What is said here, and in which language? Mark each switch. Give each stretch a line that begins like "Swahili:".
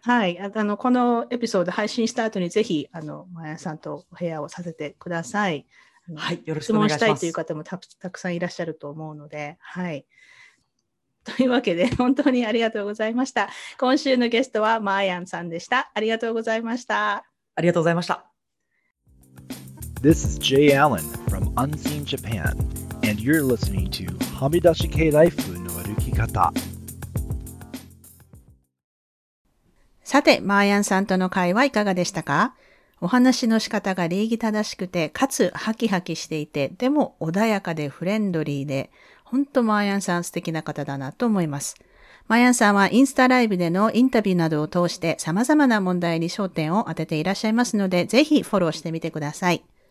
Japanese: はい、あの、このエピソード配信した後に、ぜひ、あの、まやさんとお部屋をさせてください。はい、よろしくお願いします。質問したいという方も たくさんいらっしゃると思うので、はい。というわけで、本当にありがとうございました。今週のゲストはまやさんでした。ありがとうございました。ありがとうございました。
English: This is Jay Allen from Unseen Japan, and you're listening to Hamidashi K-Life
Japanese: の歩き方。さて、まーやんさんとの会話いかがでしたか？お話の仕方が礼儀正しくて、かつハキハキしていて、でも穏やかでフレンドリーで、本当まーやんさん素敵な方だなと思います。まーやんさんはインスタライブでのインタビューなどを通して様々な問題に焦点を当てていらっしゃいますので、ぜひフォローしてみてください。